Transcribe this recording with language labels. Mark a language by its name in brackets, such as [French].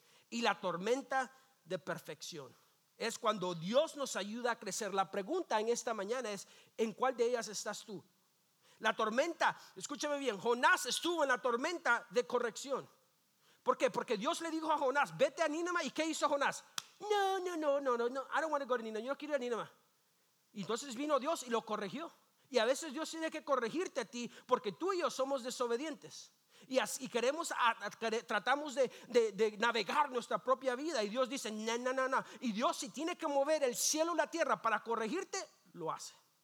[Spanish] Y la tormenta de perfección es cuando Dios nos ayuda a crecer. La pregunta en esta mañana es: ¿en cuál de ellas estás tú? La tormenta, escúchame bien, Jonás estuvo en la tormenta de corrección. ¿Por qué? Porque Dios le dijo a Jonás: vete a Nínive. ¿Y qué hizo Jonás? [English] No, I don't want to go to Nino. [Spanish] Yo no quiero ir a Nino más. Y entonces vino Dios y lo corrigió. Y a veces Dios tiene que corregirte a ti porque tú y yo somos desobedientes. Y así queremos, tratamos de navegar nuestra propia vida. Y Dios dice, no. Y Dios, si tiene que mover el cielo y la tierra para corregirte, lo hace.